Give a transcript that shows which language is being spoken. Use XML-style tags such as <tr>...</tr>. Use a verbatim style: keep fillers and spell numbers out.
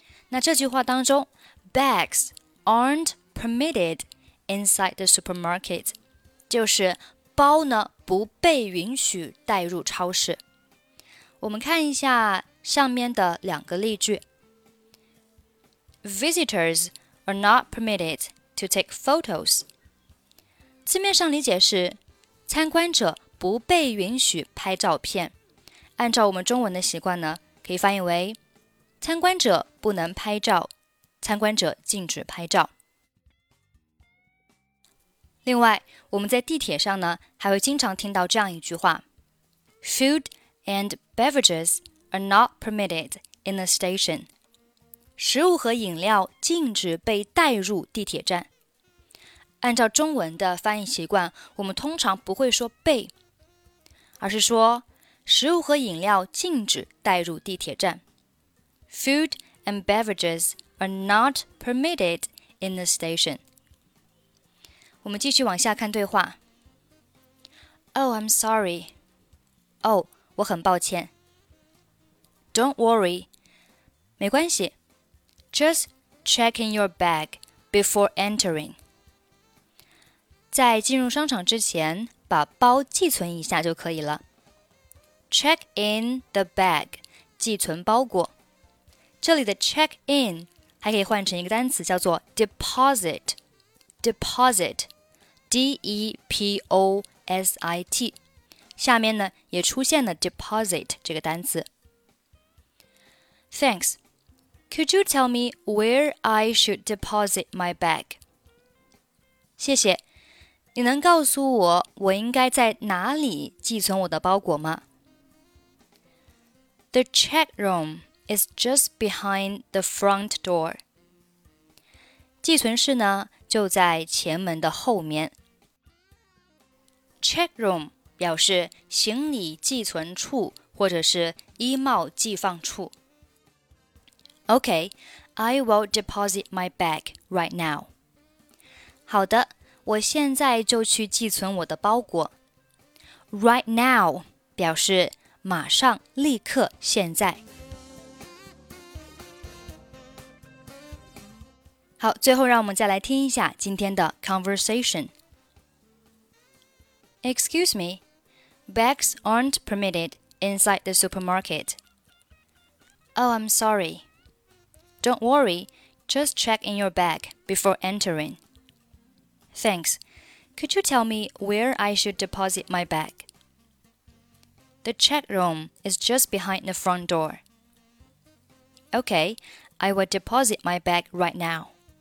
<zh>那这句话当中</zh> <en>bags aren't permitted inside the supermarket</en> <zh>就是包呢不被允许带入超市。我们看一下上面的两个例句。</zh> <en>Visitors are not permitted to take photos.</en> <zh>字面上理解是参观者不被允许拍照片。按照我们中文的习惯呢，可以翻译为参观者不能拍照，参观者禁止拍照。另外，我们在地铁上呢，还会经常听到这样一句话 ：</zh> <en>Food and beverages are not permitted in the station.</en> <zh>食物和饮料禁止被带入地铁站。按照中文的翻译习惯，我们通常不会说被，而是说食物和饮料禁止带入地铁站。</zh> <en>Food and beverages are not permitted in the station.</en> <zh>我们继续往下看对话。</zh> <en>Oh, I'm sorry. Oh,</en> <zh>我很抱歉。</zh> <en>Don't worry.</en> <zh>没关系。</zh> <en>Just check in your bag before entering.</en> <zh>在进入商场之前，把包寄存一下就可以了。</zh> <en>Check in the bag.</en> <zh>寄存包裹。这里的 check in 还可以换成一个单词，叫做 deposit。 deposit D E P O S I T 下面呢也出现了 deposit 这个单词。</zh> <en>Thanks. Could you tell me where I should deposit my bag?</en> <zh>谢谢。你能告诉我我应该在哪里寄存我的包裹吗？</zh> <en>The check room. Is just behind the front door.</en> <zh>寄存室呢就在前门的后面。 Check room 表示行李寄存处或者是衣帽寄放处。</zh> <en>Okay, I will deposit my bag right now.</en> <zh>好的，我现在就去寄存我的包裹。 Right now 表示马上、立刻、现在。好，最后让我们再来听一下今天的 conversation.</zh> <en>Excuse me, bags aren't permitted inside the supermarket. Oh, I'm sorry. Don't worry, just check in your bag before entering. Thanks. Could you tell me where I should deposit my bag? The check room is just behind the front door. Okay, I will deposit my bag right now.</en>